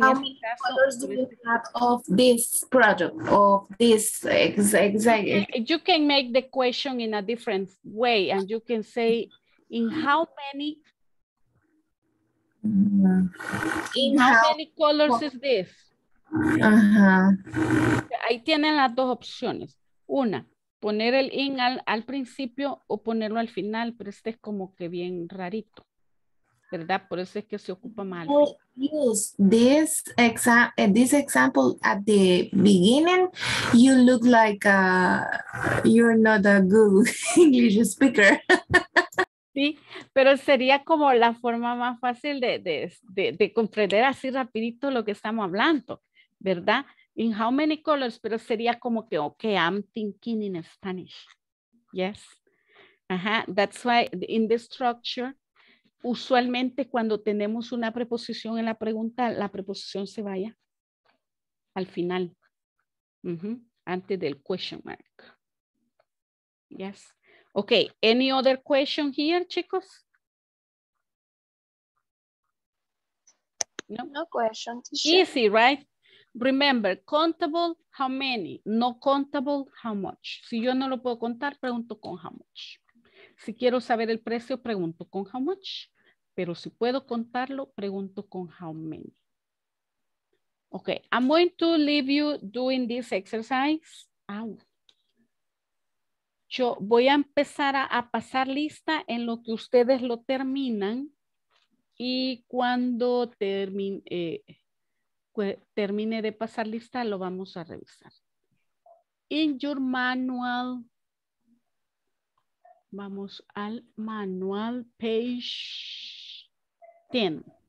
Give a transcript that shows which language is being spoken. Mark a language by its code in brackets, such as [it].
[en] how many colors do you have of this product, of this exactly? You can make the question in a different way, and you can say, in how many colors is this? Uh-huh. [es] Ahí tienen las dos opciones. Una, poner el in al principio o ponerlo al final, pero este es como que bien rarito, ¿verdad? Por eso es que se ocupa mal. [en] You use this this example at the beginning, you look like you're not a good English speaker. [es] Sí, pero sería como la forma más fácil de comprender así rapidito lo que estamos hablando, ¿verdad? [en] In how many colors, [es] pero sería como que, [en] okay, I'm thinking in Spanish. Yes. [es] Ajá, [en] that's why in the structure, [es] usualmente cuando tenemos una preposición en la pregunta, la preposición se vaya al final, antes del question mark. Yes. [en] Okay, any other question here, chicos? No, no question. Easy, right? Remember, countable, how many? No countable, how much? [es] Si yo no lo puedo contar, pregunto con how much. Si quiero saber el precio, pregunto con how much. Pero si puedo contarlo, pregunto con how many. [en] Okay, I'm going to leave you doing this exercise. Ow. [es] Yo voy a empezar a pasar lista en lo que ustedes lo terminan. Y cuando termine de pasar lista, lo vamos a revisar. [en] In your manual, [es] vamos al manual, [en] page 10.